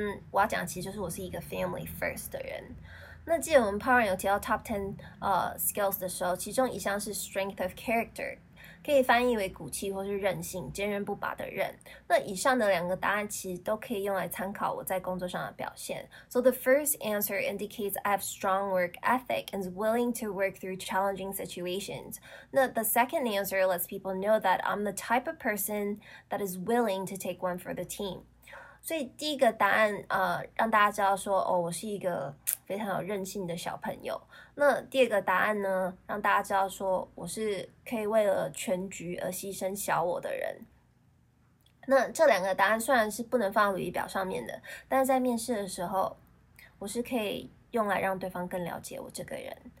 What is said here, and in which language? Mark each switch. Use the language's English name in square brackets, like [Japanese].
[Chinese] 我要讲的其实就是我是一个 family first 的人。那记得我们 Power 有提到 top 10 skills 的时候，其中一项是 strength of character，可以翻译为骨气或是韧性，坚韧不拔的韧。那以上的两个答案其实都可以用来参考我在工作上的表现。 [English] So the first answer indicates I have strong work ethic and is willing to work through challenging situations. [Chinese] 那 [English] the second answer lets people know that I'm the type of person that is willing to take one for the team. [Chinese] 所以第一个答案让大家知道说哦，我是一个非常有韧性的小朋友。那第二个答案呢，让大家知道说我是可以为了全局而牺牲小我的人。那这两个答案虽然是不能放在履历表上面的，但是在面试的时候，我是可以用来让对方更了解我这个人。